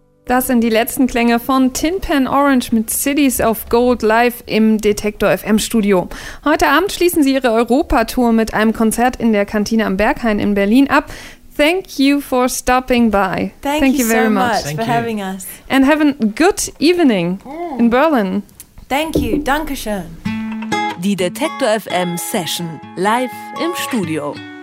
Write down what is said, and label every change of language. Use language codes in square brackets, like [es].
[de] Das sind die letzten Klänge von Tin Pan Orange mit Cities of Gold live im Detektor FM Studio. Heute Abend schließen sie ihre Europa-Tour mit einem Konzert in der Kantine am Berghain in Berlin ab. [en] Thank you for stopping by. Thank you very much for having us. And have a good evening in Berlin. Thank you. [de] Dankeschön. Die Detektor FM Session live im Studio.